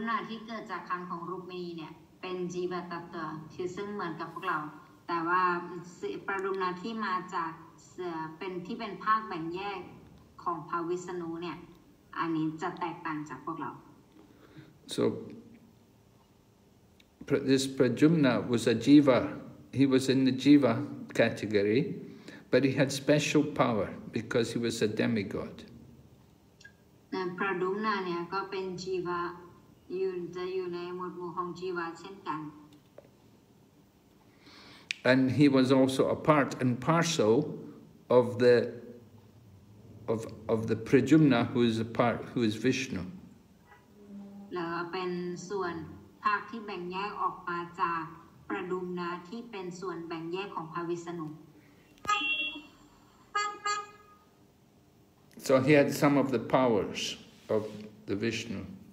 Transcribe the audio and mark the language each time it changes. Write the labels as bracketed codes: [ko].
[en] this Pradyumna was a jiva, he was in the jiva category, but he had special power because he was a demigod. [th] Pradyumna เนี่ย ก็ เป็น jiva อยู่ ใน หมวด หมู่ ของ jiva เช่น กัน [en] And he was also a part and parcel of the Pradyumna, who is a part, who is Vishnu. So he had some of the powers of the Vishnu.